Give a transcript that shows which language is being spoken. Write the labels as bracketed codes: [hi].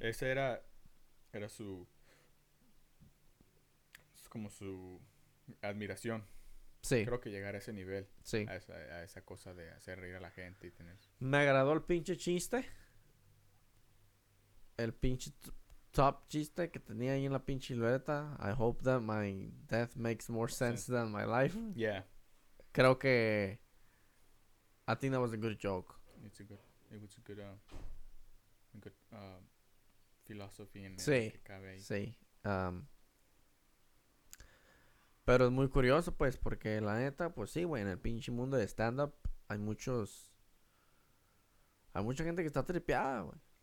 [es] Ese era su, es como su admiración. Sí. Creo que llegar a ese nivel. Sí. A esa cosa de hacer reír a la gente y tener. Me agradó el pinche chiste. El pinche top chiste que tenía ahí en la pinche libreta. [en] I hope that my death makes more sense than my life. Yeah. [es] Creo que, [en] I think that was a good joke. [es] Pero es muy curioso, pues, porque la neta, pues sí, güey, en el pinche mundo de stand-up hay mucha gente que está tripeada, güey.